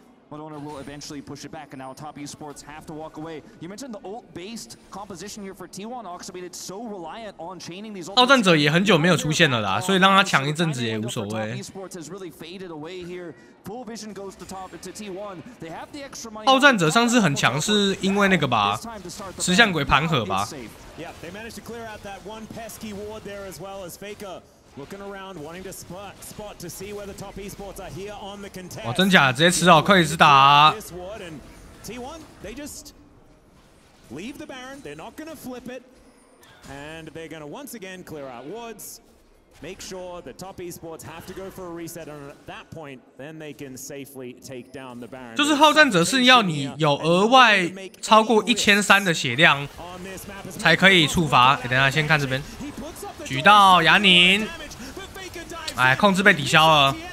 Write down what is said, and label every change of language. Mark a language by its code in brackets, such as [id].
[en] But owner will eventually push it back, and now Top Esports have to walk away. You mentioned the ult based composition here for T1 Oxabate, it's so reliant on chaining these ults. [zh] 好战者也很久没有出现了啦，所以让他抢一阵子也无所谓。 [en] Top Esports has really faded away here. Full vision goes to top to T1. They have the extra money. [zh] 好战者上次很强是因为那个吧，石像鬼盘河吧。 [en] Yeah, they managed to clear out that one pesky ward there as well as Faker. Looking around, wanting to spot to see where the top esports are here on the contest. [zh] 哇，真假的，直接吃到克里斯达。 [en] T1, they just leave the Baron. They're not gonna flip it, and they're gonna once again clear out wards. Make sure the top esports have to go for a reset, and at that point, then they can safely take down the Baron. [zh] 就是好战者是要你有额外超过1300的血量才可以触发。欸，等一下，先看这边。举到雅宁，哎，控制被抵消了。